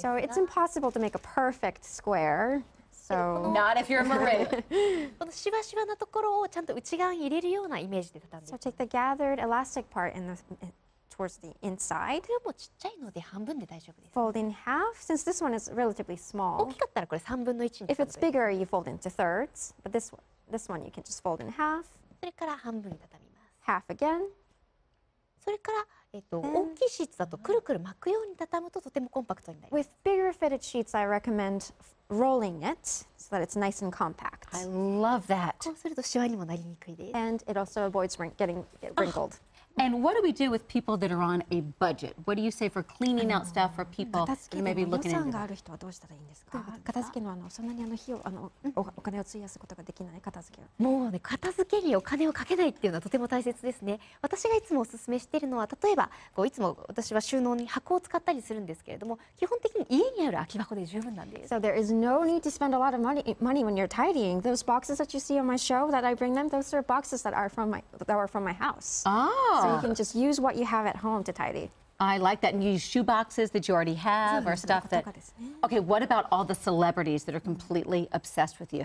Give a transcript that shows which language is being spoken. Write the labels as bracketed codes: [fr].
[en] So it's impossible to make a perfect square. So not if you're a marine. [ja] このしわしわなところをちゃんと内側に入れるようなイメージで畳んで。 [en] So take the gathered elastic part in the... towards the inside. [ja] これもちっちゃいので半分で大丈夫です。 [en] Fold in half, since this one is relatively small. [ja] 大きかったらこれ3分の1に畳んで。 [en] If it's bigger, you fold into thirds. But this one, you can just fold in half. [ja] それから半分に畳みます。 [en] Half again. [ja] それから、大きいシーツだとくるくる巻くように畳むととてもコンパクトになります。 [en] With bigger fitted sheets, I recommend rolling it so that it's nice and compact. I love that. [ja] こうするとシワにもなりにくいです。 [en] And it also avoids getting wrinkled. And what do we do with people that are on a budget? What do you say for cleaning out stuff for people who may be looking into it? [ja] 予算がある人はどうしたらいいんですか？片付けのそんなに費用お金を費やすことができない片付けは。もうね、片付けにお金をかけないっていうのはとても大切ですね。私がいつもお勧めしているのは、例えばこういつも私は収納に箱を使ったりするんですけれども、基本的に家にある空き箱で十分なんです。 [en] So there is no need to spend a lot of money when you're tidying. Those boxes that you see on my show that I bring them, those are boxes that are from my house. Oh. So you can just use what you have at home to tidy. I like that. And you use shoe boxes that you already have or stuff that... Okay, what about all the celebrities that are completely obsessed with you?